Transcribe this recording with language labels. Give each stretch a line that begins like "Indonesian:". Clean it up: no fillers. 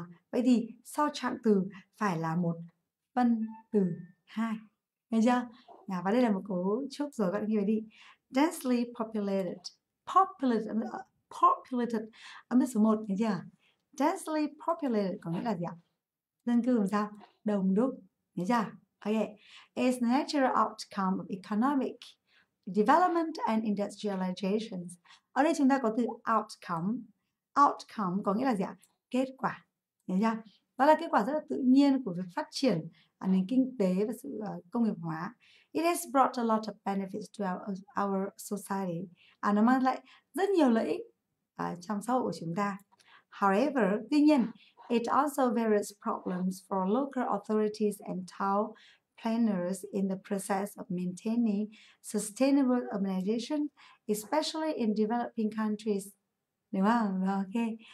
Vietnamese: Vậy thì sau trạng từ phải là một phân từ hai, nghe chưa? Và đây là một cấu trúc rồi, các bạn ghi về đi. Densely populated, populated âm số 1, nghe chưa? Densely populated có nghĩa là gì ạ? Dân cư làm sao? Đông đúc, nghe chưa? Okay.
English: It's natural outcome of economic development and industrialization.
Vietnamese: Ở đây chúng ta có từ outcome. Outcome có nghĩa là gì ạ? Kết quả, nghe chưa? Đó là kết quả rất là tự nhiên của việc phát triển nền kinh tế và sự công nghiệp hóa.
English: It has brought a lot of benefits to our society.
Vietnamese: À, nó mang lại rất nhiều lợi ích trong xã hội của chúng ta.
English: However,
Vietnamese: tuy nhiên,
English: it also various problems for local authorities and town planners in the process of maintaining sustainable urbanization, especially in developing countries.
Vietnamese: Đúng không? Ok.